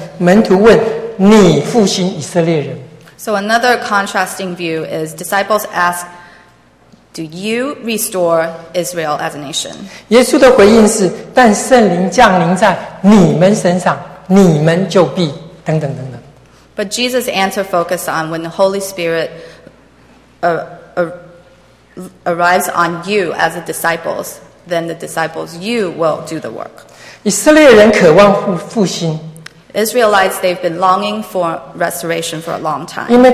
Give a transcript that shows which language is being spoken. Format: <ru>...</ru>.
<zh>第二个观点上的差异在于门徒问你复兴以色列人。</zh> <en>So another contrasting view is disciples ask, Do you restore Israel as a nation?</en> <zh>耶稣的回应是, 但圣灵降临在你们身上, 你们就必, 等等等等。</zh> <en>But Jesus' answer focused on when the Holy Spirit arrives on you as the disciples, then the disciples, you will do the work.</en> <zh>以色列人渴望复兴。</zh> <en>Israelites, they've been longing for restoration for a long time.</en>